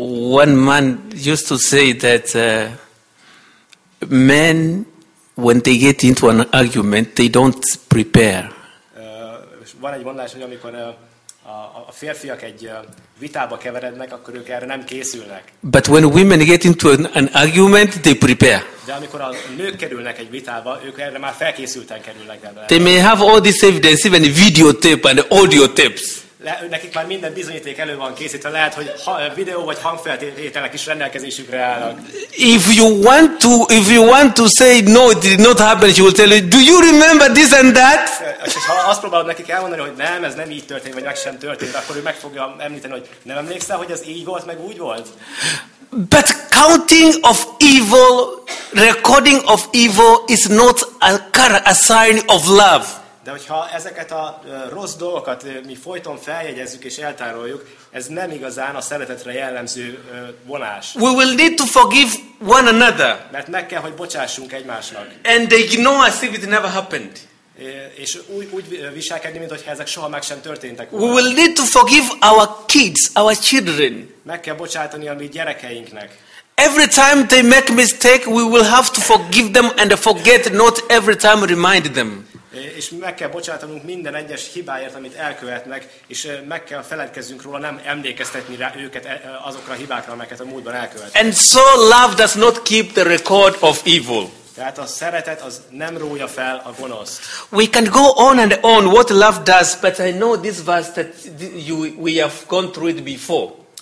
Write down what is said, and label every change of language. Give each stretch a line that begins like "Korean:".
English: One man used to say that men, when they get into an argument, they don't prepare.
Hungarian: Van egy mondás, hogy amikor a férfiak egy vitába keverednek, akkor ők erre nem készülnek.
English: But when women get into an argument, they prepare.
Hungarian: De amikor a nők kerülnek egy vitába, ők erre már felkészülten kerülnek.
English: They may have all this evidence, even videotape and audio tapes.
Hungarian: Nekik már minden bizonyíték elő van készítve, lehet, hogy videó vagy hangfeltételek is rendelkezésükre állnak.
English: If you want to say no, it did not happen, she will tell you, do you remember this and that?
Hungarian: És ha azt próbálod nekik elmondani, hogy nem, ez nem így történt, vagy meg sem történt, akkor ő meg fogja említeni, hogy nem emlékszel, hogy ez így volt, meg úgy volt?
English: But counting of evil, recording of evil is not a sign of love.
Hungarian: De hogyha ezeket a rossz dolgokat mi folyton feljegyezzük és eltároljuk, ez nem igazán a szeretetre jellemző vonás.
English: We will need to forgive one another.
Hungarian: Mert meg kell, hogy bocsássunk egymásnak.
English: And they ignore as if it never happened.
Hungarian: És úgy viselkedni, mintha ezek soha meg sem történtek.
English: We will need to forgive our kids, our children.
Hungarian: Meg kell bocsátani a mi gyerekeinknek.
English: Every time they make mistake, we will have to forgive them and forget, not every time remind them.
Hungarian: És meg kell bocsátanunk minden egyes hibáért, amit elkövetnek, és meg kell feledkezzünk róla, nem emlékeztetni rá őket azokra a hibákra, amelyeket a múltban elkövetnek.
English: And so love does not keep the record of evil.
Hungarian: Tehát a szeretet az nem rója fel a gonoszt.
English: We can go on and on what love does, but I know this verse that we have gone through it before.